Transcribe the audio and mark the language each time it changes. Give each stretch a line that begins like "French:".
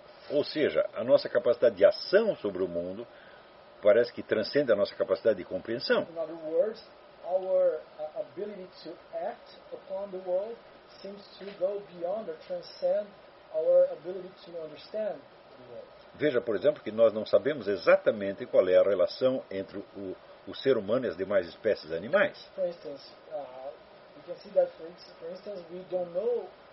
Portuguese: Ou seja, a nossa capacidade de ação sobre o mundo parece que transcende a nossa capacidade de compreensão.
English: In other words, our ability to act upon the world seems to go beyond or transcend our ability to understand the world.
Portuguese: Veja, por exemplo, que nós não sabemos exatamente qual é a relação entre o ser humano e as demais espécies animais.
English: For instance, we can see that, for instance, we don't know